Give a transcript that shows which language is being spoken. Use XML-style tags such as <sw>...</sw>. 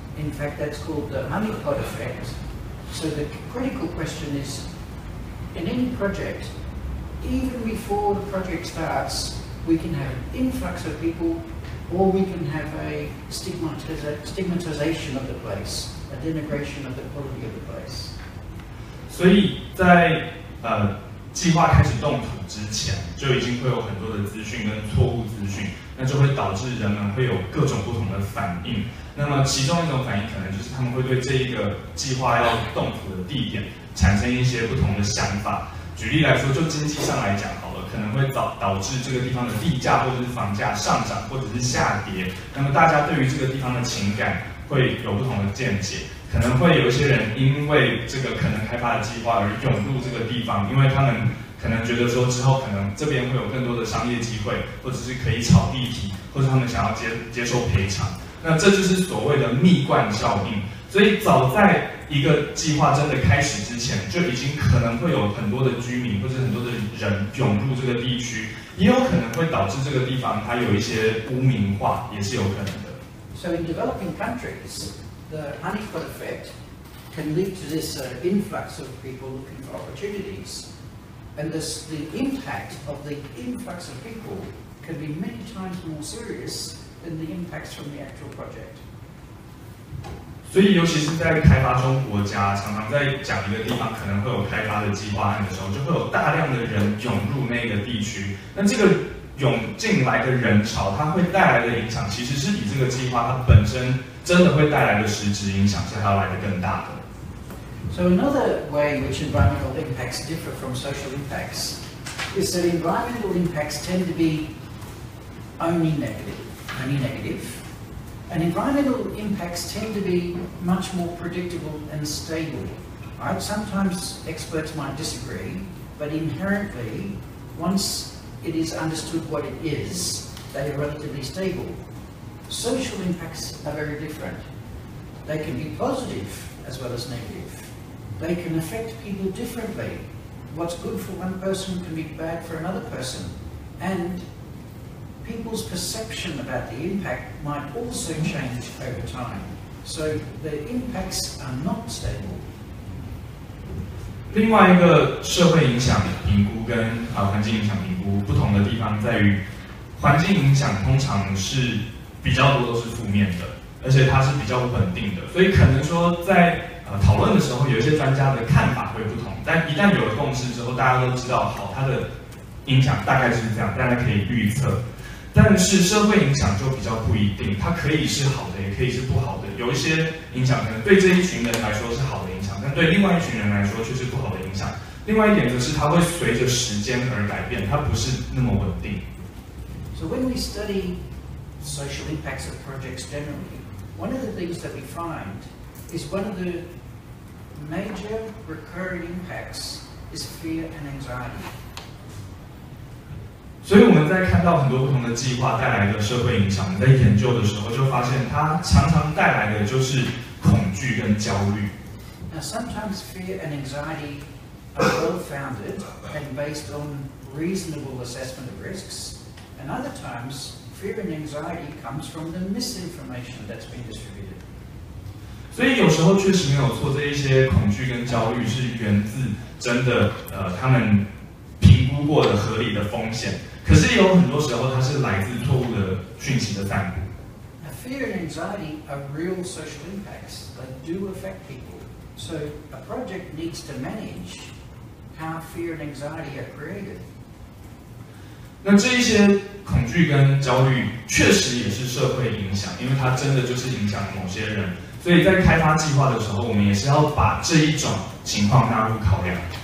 <en>In fact, that's called the honeypot effect. So the critical question is, in any project, even before the project starts, we can have an influx of people, or we can have a stigmatization of the place, a denigration of the quality of the place.</en> <zh>所以在计划开始动土之前，就已经会有很多的资讯跟错误资讯，那就会导致人们会有各种不同的反应。那么其中一种反应可能就是他们会对这一个计划要动土的地点产生一些不同的想法。举例来说，就经济上来讲好了，可能会导致这个地方的地价或者是房价上涨或者是下跌。那么大家对于这个地方的情感会有不同的见解。可能会有些人因为这个可能开发的计划而涌入这个地方，因为他们可能觉得说之后可能这边会有更多的商业机会，或者是可以炒地皮，或者他们想要接受赔偿。那这就是所谓的蜜罐效应。所以早在一个计划真的开始之前，就已经可能会有很多的居民或者很多的人涌入这个地区，也有可能会导致这个地方它有一些污名化，也是有可能的。</zh> <en>So in developing countries,the honeypot effect can lead to this influx of people looking for opportunities. And the impact of the influx of people can be many times more serious than the impacts from the actual project.</en> <zh>所以尤其是在开发中国家，常常在讲一个地方可能会有开发的计划案的时候，就会有大量的人涌入那个地区。那这个涌进来的人潮，它会带来的影响，其实是比这个计划它本身真的会带来的实质影响，是它来的更大的。</zh> <en>So another way which environmental impacts differ from social impacts is that environmental impacts tend to be only negative. many negative, and environmental impacts tend to be much more predictable and stable. Right? Sometimes experts might disagree, but inherently, once it is understood what it is, they are relatively stable. Social impacts are very different. They can be positive as well as negative. They can affect people differently. What's good for one person can be bad for another person. And people's perception about the impact might also change over time. So the impacts are not stable.</en> <zh>另外一个社会影响评估跟环境影响评估不同的地方在于，环境影响通常是比较多都是负面的，而且它是比较不稳定的，所以可能说在讨论的时候，有一些专家的看法会不同，但一旦有了共识之后，大家都知道好，它的影响大概是这样，大家可以预测。但是社会影响就比较不一定，它可以是好的，也可以是不好的。有一些影响可能对这一群人来说是好的影响，但对另外一群人来说却是不好的影响。另外一点就是它会随着时间而改变，它不是那么稳定。</zh> <en>So when we study social impacts of projects generally, one of the things that we find is one of the major recurring impacts is fear and anxiety.</en> <zh>所以我们在看到很多不同的计划带来的社会影响，在研究的时候就发现它常常带来的就是恐惧跟焦虑。</zh> <en>Now sometimes fear and anxiety are well-founded and based on reasonable assessment of risks, and other times fear and anxiety comes from the misinformation that's been distributed.</en> <zh>所以有时候确实没有错，这一些恐惧跟焦虑是源自真的，他们评估过的合理的风险，可是有很多时候它是来自错误的讯息的散布。</zh> <en>Now, fear and anxiety are real social impacts that do affect people. So a project needs to manage how fear and anxiety are created.</en> <zh>那这一些恐惧跟焦虑确实也是社会影响，因为它真的就是影响某些人。所以在开发计划的时候，我们也是要把这一种情况纳入考量。</zh>